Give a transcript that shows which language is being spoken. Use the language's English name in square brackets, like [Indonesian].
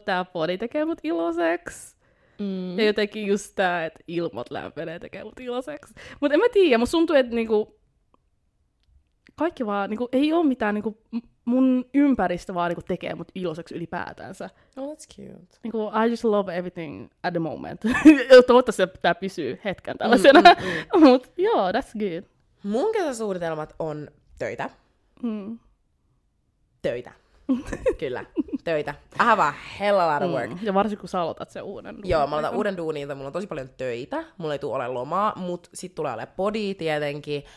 [Finnish] Tää podi tekee mut iloseks. Ja jotenkin just tää, että ilmat lämpenee, tekee mut iloseks. Mut en mä tiedä, musta tuntuu, että niinku, kaikki vaan niinku, ei oo mitään niinku, mun ympäristö vaan niinku, tekee mut iloseks ylipäätänsä. [English] Oh, that's cute. Niinku, I just love everything at the moment. [Finnish] Toivottavasti tää pysyy hetken tällaisena. Mut joo, [English] that's good. [Finnish] Mun kesäsuunnitelmat on töitä. Töitä. Kyllä. Töitä. [English] I have a hell of a lot of work. [Finnish] Ja varsinkin kun sä aloitat sen uuden duunin. Joo, mä aloitan uuden duunin, mulla on tosi paljon töitä. Mulla ei tule ole lomaa, mut sit tulee ole podi tietenkin.